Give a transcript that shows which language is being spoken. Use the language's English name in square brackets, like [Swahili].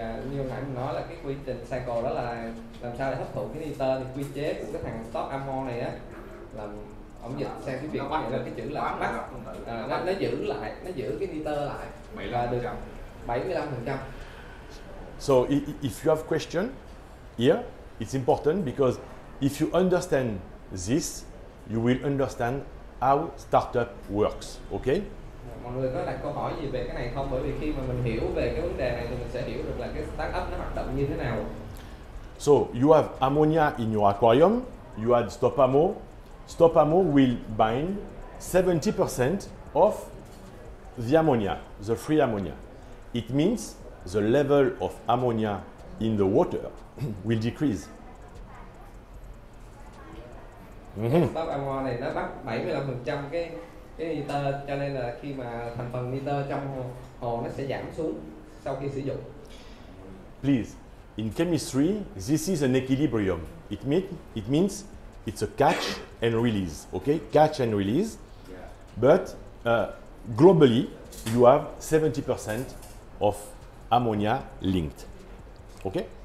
[Vietnamese] Như hồi nãy mình nói là cái quy trình cycle đó là làm sao để hấp thụ cái nitơ, thì quy chế của cái thằng stop ammo này á, là ổng dịch sang cái việc là cái chữ là bắt, nó giữ cái nitơ lại là được 75%. [English] So if you have question here, it's important because if you understand this, you will understand how startup works, okay? [Vietnamese] Mọi người có đặt câu hỏi gì về cái này không? Bởi vì khi mà mình hiểu về cái vấn đề này thì mình sẽ hiểu được là cái startup nó hoạt động như thế nào. [English] So you have ammonia in your aquarium, you add stop ammo. Stop ammo will bind 70% of the ammonia, the free ammonia. It means the level of ammonia in the water will decrease. [Vietnamese] Stop ammo này nó bắt 75% cái nitơ, cho nên là khi mà thành phần nitơ trong hồ nó sẽ giảm xuống sau khi sử dụng. [English] Please, in chemistry, this is an equilibrium. It means it's a catch and release, okay? Catch and release. But globally, you have 70% of ammonia linked, okay?